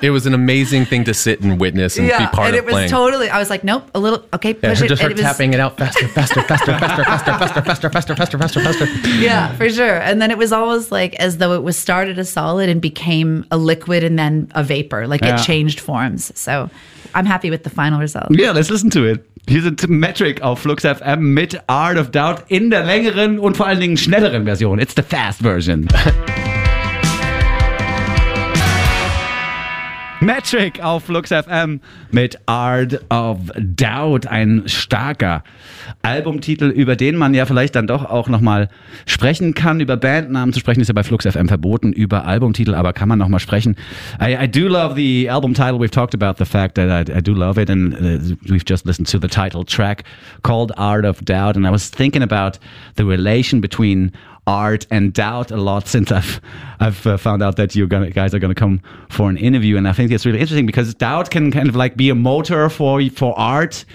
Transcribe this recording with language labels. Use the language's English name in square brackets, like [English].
[English] It was an amazing thing to sit and witness and be part of playing. And it was totally, I was like, nope, a little, okay, push it. I just started tapping it out faster. Yeah, for sure. And then it was almost like as though it was started a solid and became a liquid and then a vapor. Like it changed forms. So I'm happy with the final result. Yeah, let's listen to it. Here's a metric of [German] Flux FM mit Art of Doubt in der längeren und vor allen Dingen schnelleren Version. [English] It's the fast version. [German] Metric auf Flux FM mit Art of Doubt, ein starker Albumtitel, über den man ja vielleicht dann doch auch nochmal sprechen kann. Über Bandnamen zu sprechen ist ja bei Flux FM verboten, über Albumtitel aber kann man nochmal sprechen. [English] I do love the album title. We've talked about the fact that I do love it, and we've just listened to the title track called Art of Doubt, and I was thinking about the relation between art and doubt a lot since I've found out that you guys are gonna come for an interview, and I think it's really interesting because doubt can kind of like be a motor for art.